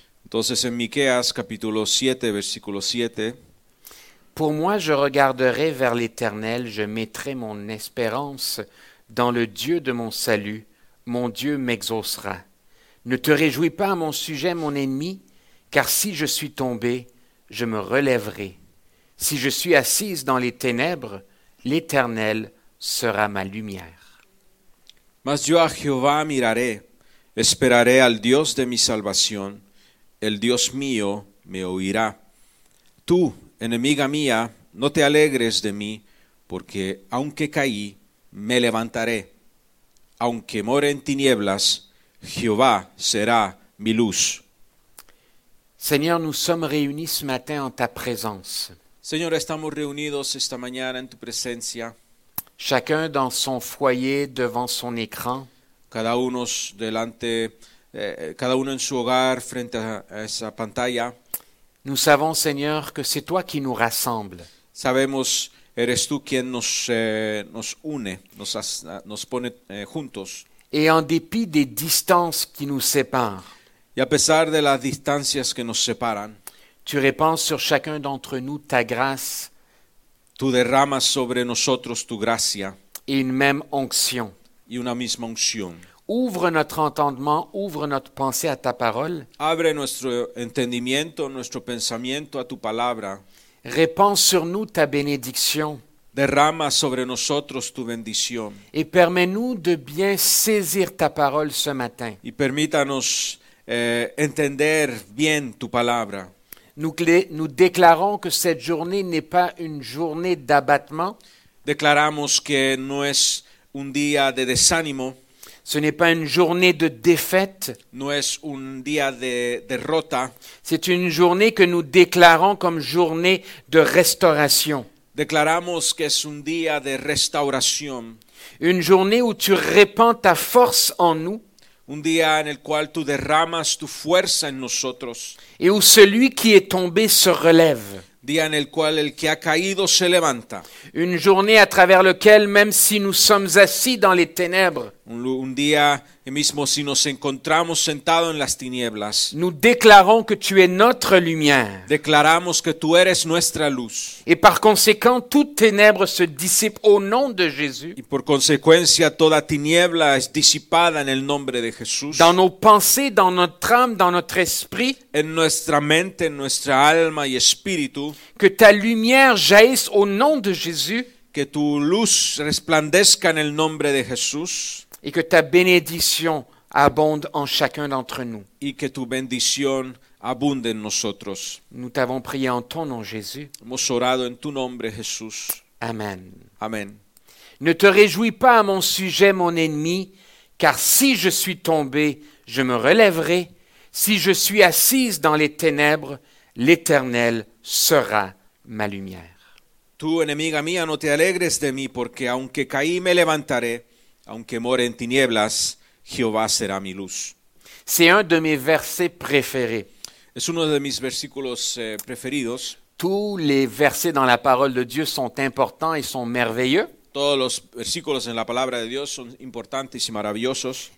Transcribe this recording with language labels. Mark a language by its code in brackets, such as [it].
[es] Entonces en Miqueas capítulo 7 versículo 7. [fr] Pour moi, je regarderai vers l'Éternel, je mettrai mon espérance dans le Dieu de mon salut, mon Dieu m'exaucera. Ne te réjouis pas à mon sujet, mon ennemi, car si je suis tombé, je me relèverai. Si je suis assise dans les ténèbres, l'Éternel sera ma lumière. [es] Mas yo a Jehová miraré, esperaré al Dios de mi salvación, el Dios mío me oirá. Tú Enemiga mía, no te alegres de mí, porque aunque caí, me levantaré. Aunque more en tinieblas, Jehová será mi luz. [fr] Señor, nous sommes réunis ce matin en ta présence. [es] Señor, estamos reunidos esta mañana en tu presencia. [fr] Chacun dans son foyer devant son écran. [es] Cada uno en su hogar frente a esa pantalla. [fr] Nous savons, Seigneur, que c'est toi qui nous rassemble. [es] Sabemos, eres tú quien nos une, nos pone juntos. [fr] Et en dépit des distances qui nous séparent. [es] Y a pesar de las distancias que nos separan. [fr] Tu répands sur chacun d'entre nous ta grâce. [es] Tú derramas sobre nosotros tu gracia. [fr] Et une même onction. [es] Y una misma unción. [fr] Ouvre notre entendement, ouvre notre pensée à ta parole. [es] Abre nuestro entendimiento, nuestro pensamiento a tu palabra. [fr] Répand sur nous ta bénédiction. [es] Derrama sobre nosotros tu bendición. [fr] Et permets-nous de bien saisir ta parole ce matin. [es] Y permítanos entender bien tu palabra. [fr] Nous déclarons que cette journée n'est pas une journée d'abattement. [es] Declaramos que no es un día de desánimo. [fr] Ce n'est pas une journée de défaite. [es] No es un día de derrota. [fr] C'est une journée que nous déclarons comme journée de restauration. [es] Declaramos que es un día de restauración. [fr] Une journée où tu répands ta force en nous. [es] Un día en el cual tú derramas tu fuerza en nosotros. [fr] Et où celui qui est tombé se relève. [es] Día en el cual el que ha caído se levanta. [fr] Une journée à travers lequel, même si nous sommes assis dans les ténèbres, [es] un día mismo si nos encontramos sentado en las tinieblas, [fr] nous déclarons que tu es notre lumière. [es] Declaramos que tú eres nuestra luz. [fr] Et par conséquent, toute ténèbre se dissipe au nom de Jésus. [es] Y por consecuencia, toda tiniebla es disipada en el nombre de Jesús. [fr] Dans nos pensées, dans notre âme, dans notre esprit, [es] en nuestra mente, en nuestra alma y espíritu, [fr] que ta lumière jaillisse au nom de Jésus. [es] Que tu luz resplandezca en el nombre de Jesús. [fr] Et que ta bénédiction abonde en chacun d'entre nous. [es] Y que tu bendición abunde en nosotros. [fr] Nous t'avons prié en ton nom, Jésus. [es] Hemos orado en tu nombre, Jesús. Amen. Amen. [fr] Ne te réjouis pas à mon sujet, mon ennemi, car si je suis tombé, je me relèverai. Si je suis assise dans les ténèbres, l'Éternel sera ma lumière. [es] Tu, enemiga mía, no te alegres de mí, porque aunque caí, me levantaré. Aunque more en tinieblas, Jehová será mi luz. [fr] C'est un de mes versets préférés. [es] Es uno de mis versículos preferidos. [fr] Tous les versets dans la parole de Dieu sont importants et sont merveilleux. [es] Todos los versículos en la palabra de Dios son importantes y maravillosos.